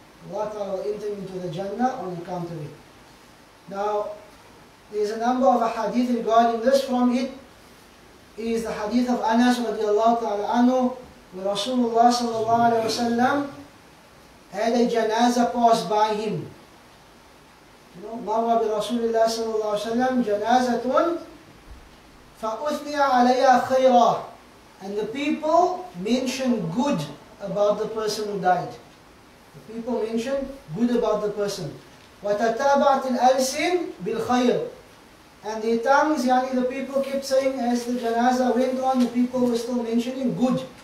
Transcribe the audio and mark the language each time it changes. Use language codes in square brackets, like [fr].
[en] Allah ta'ala will enter into the Jannah on account of it. Now, there's a number of a hadith regarding this. From it is the hadith of Anas radiallahu ta'ala anhu, where Rasulullah sallallahu alayhi wa sallam had a janazah pass by him. [ar] مر برسول الله صلى الله عليه وسلم جنازة فأثني عليها خيرا. [en] And the people mentioned good about the person who died. The people mentioned good about the person. [ar] وتتابعت الألسن بالخير. [en] And their tongues, yani, the people kept saying, as the janazah went on, the people were still mentioning good